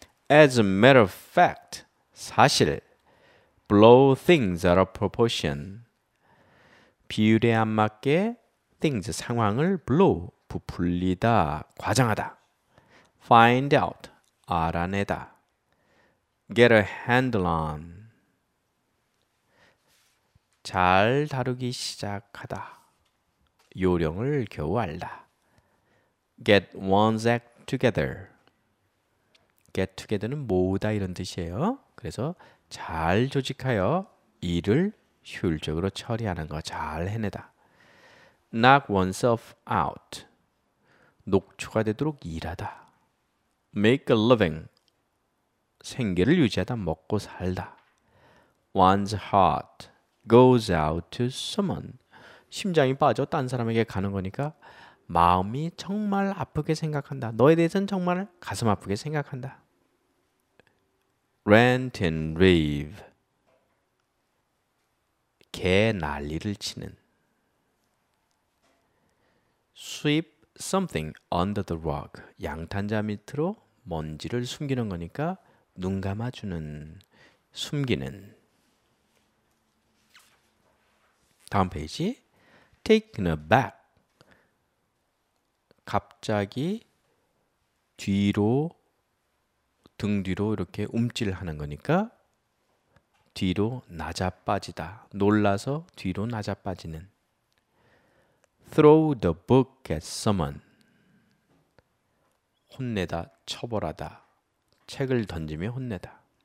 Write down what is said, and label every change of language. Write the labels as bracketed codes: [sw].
[en] As a matter of fact, [ko] 사실, [en] blow things out of proportion. [ko] 비율에 안 맞게 [en] things, [ko] 상황을 [en] blow, [ko] 부풀리다, 과장하다. [en] Find out, 알아내다. Get a handle on. [ko] 잘 다루기 시작하다. 요령을 겨우 알다. [en] Get one's act together. Get together는 [ko] 모으다 이런 뜻이에요. 그래서 잘 조직하여 일을 효율적으로 처리하는 거 잘 해내다. [en] Knock oneself out. [ko] 녹초가 되도록 일하다. [en] Make a living. [ko] 생계를 유지하다 먹고 살다. [en] One's heart goes out to someone. [ko] 심장이 빠져 딴 사람에게 가는 거니까 마음이 정말 아프게 생각한다. 너에 대해서는 정말 가슴 아프게 생각한다. [en] Rant and rave. [ko] 개 난리를 치는. [en] Sweep something under the rug. [ko] 양탄자 밑으로 먼지를 숨기는 거니까 눈 감아주는, 숨기는. 다음 페이지. [en] Taken aback. [ko] 갑자기 뒤로, 등 뒤로 이렇게 움찔하는 거니까 뒤로 나자빠지다. 놀라서 뒤로 나자빠지는. [en] Throw the book at someone. [ko] 혼내다, 처벌하다. 책을 던지며 혼내다.